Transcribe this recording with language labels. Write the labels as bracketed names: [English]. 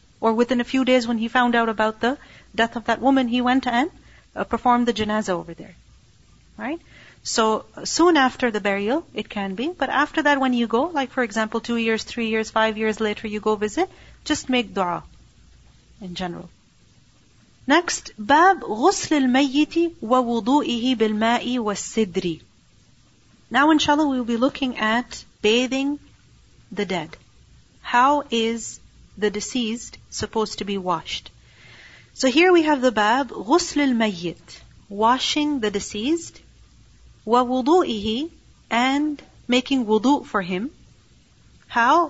[English] Or within a few days when he found out about the death of that woman, he went and performed the janazah over there. Right? So, soon after the burial, it can be. But after that, when you go, like for example, 2 years, 3 years, 5 years later, you go visit, just make dua in general. [Arabic] Next, باب غسل الميت ووضوئه بالماء والسدري. [English] Now, inshallah, we will be looking at bathing the dead. How is the deceased supposed to be washed? So here we have the bab, [Arabic] غسل الميت, [English] washing the deceased, ووضوئه, and making wudu for him. How?